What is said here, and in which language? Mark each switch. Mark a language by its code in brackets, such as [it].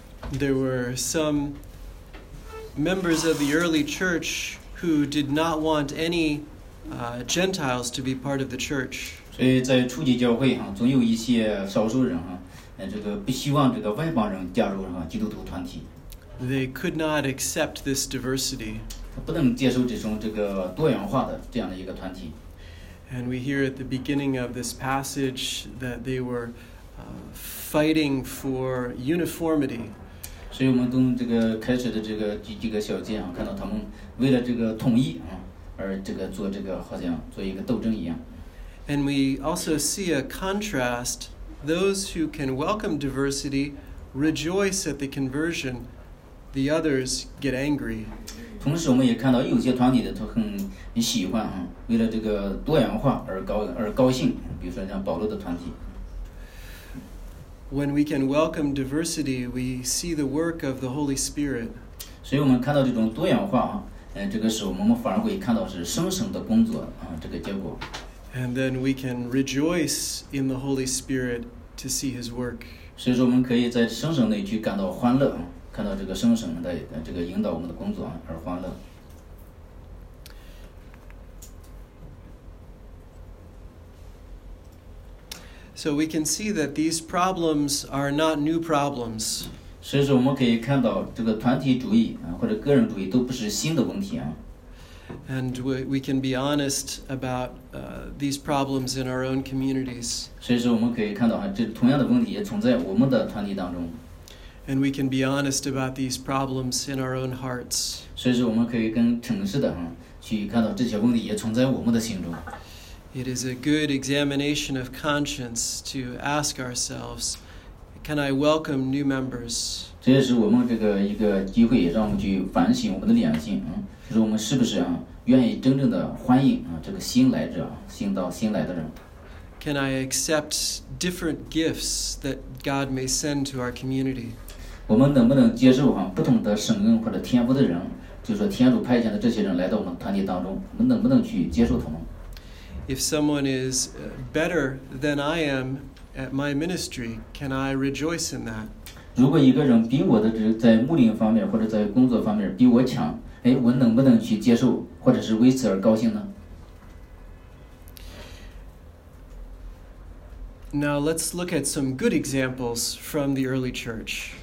[en] There were some members of the early church who did not want any Gentiles to be part of the church. [zh] 所以在初级教会总有一些少数人不希望这个外邦人加入基督徒团体。 [en] They could not accept this diversity. [zh] 不能接受这个多元化的这样的一个团体。 [en] And we hear at the beginning of this passage that they were fighting for uniformity. [zh] 所以我们从这个开始的这个小节看到他们为了这个统一而这个做这个好像做一个斗争一样。 [en] And we also see a contrast. Those who can welcome diversity rejoice at the conversion. The others get angry. [zh] 同时我们也看到有些团体的都很喜欢为了这个多元化而高兴，比如说像保罗的团体。 [en] When we can welcome diversity, we see the work of the Holy Spirit. [zh] 所以我们看到这种多元化这个时候我们反而会看到是圣神的工作这个结果。 [en] And then we can rejoice in the Holy Spirit to see His work. [zh] 所以说我们可以在圣神内去感到欢乐，看到这个圣神的这个引导我们的工作而欢乐。 [en] So we can see that these problems are not new problems. [zh] 所以说我们可以看到这个团体主义或者个人主义都不是新的问题。 [en] And we can be honest about these problems in our own communities. [zh] 所以说我们可以看到这同样的问题也存在我们的团体当中。 [en] And we can be honest about these problems in our own hearts. [zh] 所以说我们可以更诚实的去看到这些问题也存在我们的心中。 [en] It is a good examination of conscience to ask ourselves, can I welcome new members? [zh] 这也是我们这个一个机会，让我们去反省我们的良心，就是我们是不是愿意真正的欢迎这个新来者，新来的人。 [en] Can I accept different gifts that God may send to our community? [zh] 我们能不能接受不同的圣恩或者天赋的人，就是说天主派遣的这些人来到我们团体当中，我们能不能去接受他们？ [en] If someone is better than I am at my ministry, can I rejoice in that? [zh] 如果一个人比我的在牧灵方面或者在工作方面比我强，我能不能去接受或者是为此而高兴呢？ [en] Now let's look at some good examples from the early church.